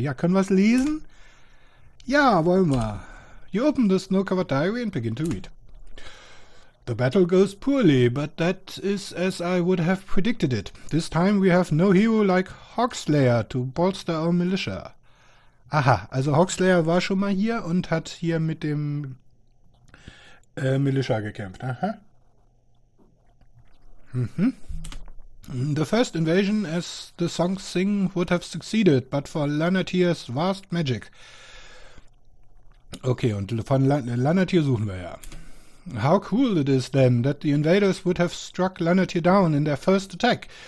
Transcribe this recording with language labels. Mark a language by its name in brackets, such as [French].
[German] Ja, können wir es lesen? Ja, wollen wir. [English] You open the snow-covered diary and begin to read. The battle goes poorly, but that is as I would have predicted it. This time we have no hero like Hawkslayer to bolster our militia. [German] Aha, also Hawkslayer war schon mal hier und hat hier mit dem Militia gekämpft. Aha. [English] The first invasion, as the songs sing, would have succeeded, but for Lanatiers vast magic. [German] Okay, und von Lanatier suchen wir ja. [English] How cool it is then that the invaders would have struck Lanatier down in their first attack.